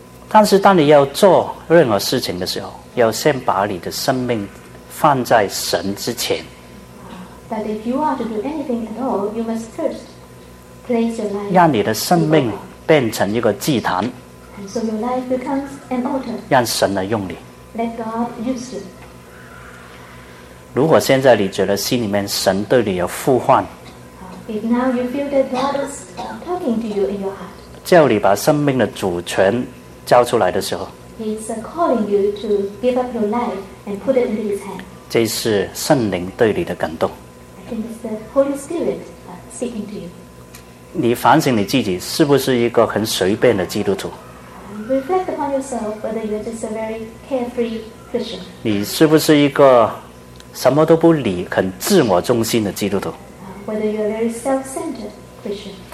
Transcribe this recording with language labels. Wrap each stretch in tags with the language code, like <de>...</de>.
<zh>但是当你要做任何事情的时候，要先把你的生命放在神之前。</zh> <en>That if you are to do anything at all, you must first place your life.</en> <zh>让你的生命变成一个祭坛。</zh> <en>And so your life becomes an altar.</en> <zh>让神来用你。</zh> <en>Let God use you.</en> <zh>如果现在你觉得心里面神对你有呼唤，</zh> <en>If now you feel that God is talking to you in your heart,</en> <zh>叫你把生命的主权交出来的时候，</zh> <en>He's calling you to give up your life and put it into His hand.</en> <zh>这是圣灵对你的感动。</zh> <en>I think it's the Holy Spirit speaking to you.</en> <zh>你反省你自己是不是一个很随便的基督徒？</zh> <en>Reflect upon yourself whether you're just a very carefree Christian.</en> <zh>你是不是一个什么都不理、很自我中心的基督徒？</zh> <en>Whether you're a very self-centered Christian.</en>